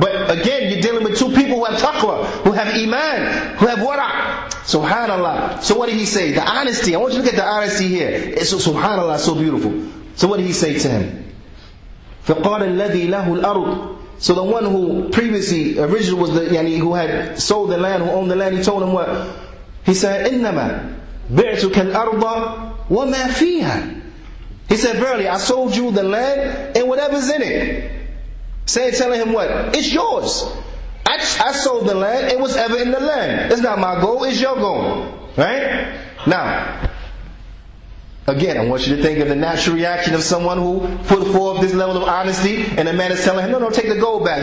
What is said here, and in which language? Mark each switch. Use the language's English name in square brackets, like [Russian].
[English] But again, you're dealing with two people who have taqwa, who have iman, who have wara. Subhanallah. So what did he say? The honesty. I want you to look at the honesty here. It's subhanallah, so beautiful. So what did he say to him? [Arabic] فَقَالَ الَّذِي لَهُ الْأَرْضِ. [English] So the one who previously, originally was the, who had sold the land, who owned the land, he told him what? He said, [Arabic] إِنَّمَا بِعْتُكَ الْأَرْضَ وَمَا فِيهَا. [English] He said, verily, I sold you the land and whatever's in it. Saying, telling him what? It's yours. I sold the land and whatever in the land. It's not my goal, it's your goal. Right? Now, again, I want you to think of the natural reaction of someone who put forth this level of honesty, and a man is telling him, no, take the gold back.